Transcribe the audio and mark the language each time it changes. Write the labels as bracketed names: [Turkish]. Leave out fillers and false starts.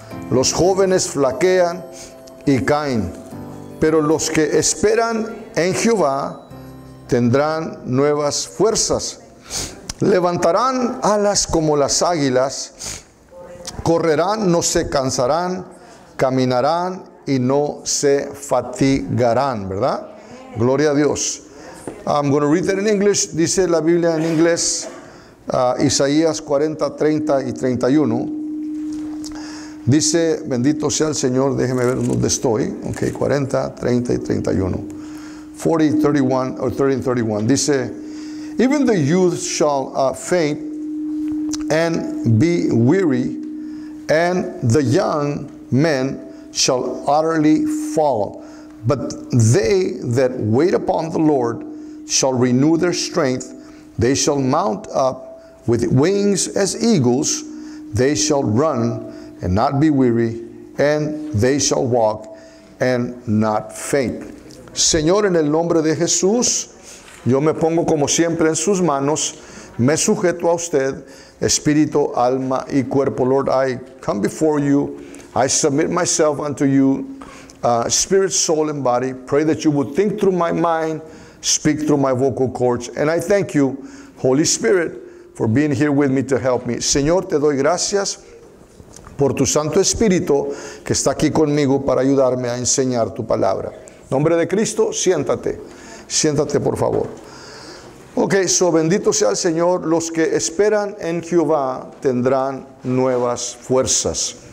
[Spanish] los jóvenes flaquean y caen, pero los que esperan en Jehová tendrán nuevas fuerzas, levantarán alas como las águilas, correrán, no se cansarán, caminarán y no se fatigarán, ¿verdad? Gloria a Dios. [English] I'm going to read it in English. [Spanish] Dice la Biblia en inglés, Isaías 40, 30 y 31. Dice, bendito sea el Señor, déjeme ver dónde estoy. Ok, 40, 30 y 31. 40, 31, or 30 and 31. [English] Dice, even the youth shall faint and be weary, and the young men shall utterly fall. But they that wait upon the Lord shall renew their strength. They shall mount up with wings as eagles. They shall run and not be weary, and they shall walk and not faint. [Spanish] Señor, en el nombre de Jesús, yo me pongo como siempre en sus manos. Me sujeto a usted, espíritu, alma y cuerpo. [English] Lord, I come before you. I submit myself unto you, spirit, soul, and body. Pray that you would think through my mind, speak through my vocal cords. And I thank you, Holy Spirit, for being here with me to help me. [Spanish] Señor, te doy gracias por tu Santo Espíritu que está aquí conmigo para ayudarme a enseñar tu palabra. Nombre de Cristo, siéntate. Siéntate, por favor. Ok, so bendito sea el Señor. Los que esperan en Jehová tendrán nuevas fuerzas.